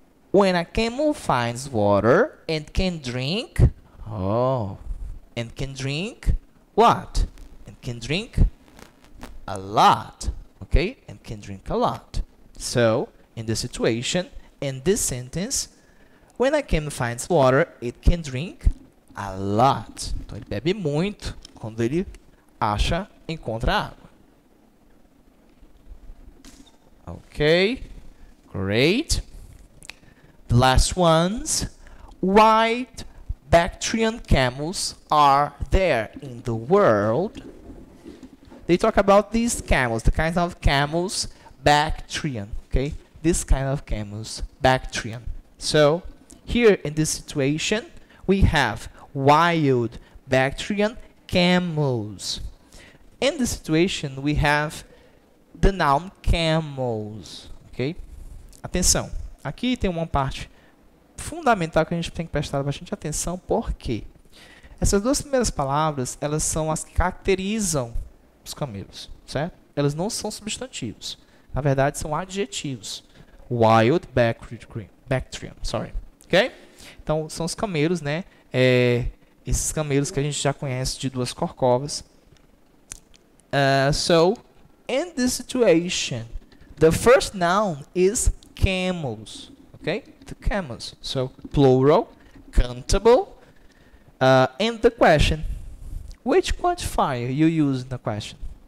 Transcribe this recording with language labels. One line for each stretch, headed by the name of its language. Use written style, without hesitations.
English: When a camel finds water and can drink, and can drink what? And can drink a lot, okay? And can drink a lot. So, in this situation, in this sentence, when a camel finds water, it can drink a lot.
Portuguese: Então, ele bebe muito quando ele acha, encontra água.
English: Okay, great. The last ones, white Bactrian camels are there in the world. They talk about these camels, the kinds of camels, Bactrian, okay? This kind of camels, Bactrian. So, here in this situation, we have wild Bactrian camels. In this situation, we have the noun camels, okay?
Portuguese: Atenção, aqui tem uma parte fundamental que a gente tem que prestar bastante atenção, porque essas duas primeiras palavras, elas são as que caracterizam os camelos, certo? Elas não são substantivos. Na verdade, são adjetivos.
English: Wild Bactrian, sorry. Ok?
Portuguese: Então, são os camelos, né? Esses camelos que a gente já conhece de duas corcovas.
English: So, in this situation, the first noun is camels. Ok? The camels. So, plural, countable. And the question. Which quantifier you use in the question?